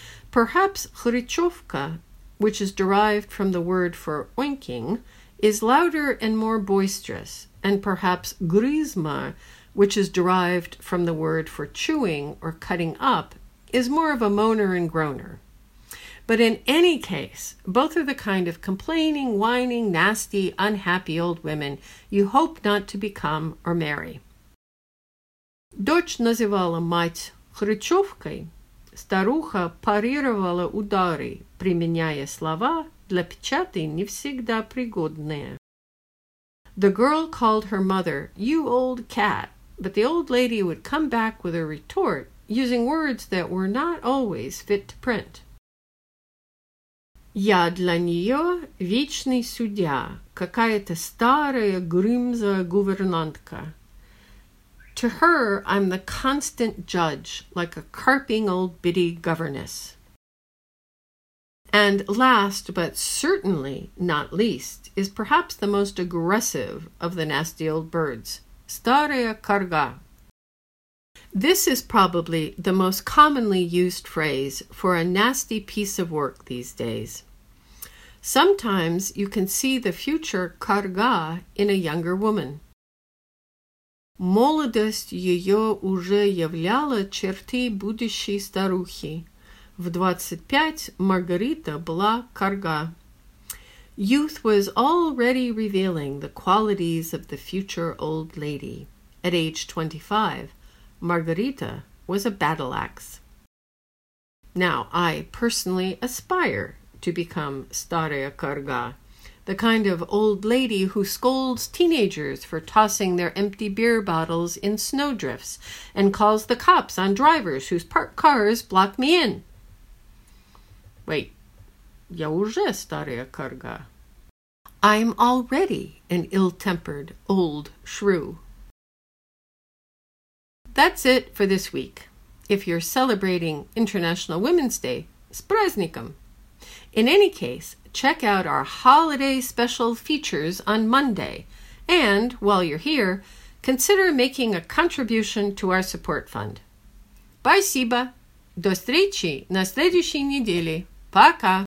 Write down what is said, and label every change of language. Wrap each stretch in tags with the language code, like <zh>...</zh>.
<en>Perhaps Khrychovka, which is derived from the word for oinking, is louder and more boisterous, and perhaps grizma, which is derived from the word for chewing or cutting up, is more of a moaner and groaner. But in any case, both are the kind of complaining, whining, nasty, unhappy old women you hope not to become or marry.</en> <ru>Дочь называла мать хрычевкой. Старуха парировала удары, применяя слова, для печати не всегда пригодные.</ru> <en>The girl called her mother, "You old cat," but the old lady would come back with a retort, using words that were not always fit to print.</en> <ru>Я для нее вечный судья, какая-то старая грымза гувернантка.</ru> <en>To her, I'm the constant judge, like a carping old biddy governess. And last, but certainly not least, is perhaps the most aggressive of the nasty old birds, старая карга. This is probably the most commonly used phrase for a nasty piece of work these days. Sometimes you can see the future карга in a younger woman.</en> <ru>Молодость ее уже являла черты будущей старухи. В 25 Маргарита была карга.</ru> <en>Youth was already revealing the qualities of the future old lady. At age 25, Маргарита was a battle axe. Now, I personally aspire to become старая карга, the kind of old lady who scolds teenagers for tossing their empty beer bottles in snowdrifts and calls the cops on drivers whose parked cars block me in. Wait,</en> <ru>я уже старая карга.</ru> <en>I'm already an ill-tempered old shrew. That's it for this week. If you're celebrating International Women's Day,</en> <ru>с праздником!</ru> <en>In any case, check out our holiday special features on Monday. And while you're here, consider making a contribution to our support fund.</en> <ru>Спасибо! До встречи на следующей неделе! Пока!</ru>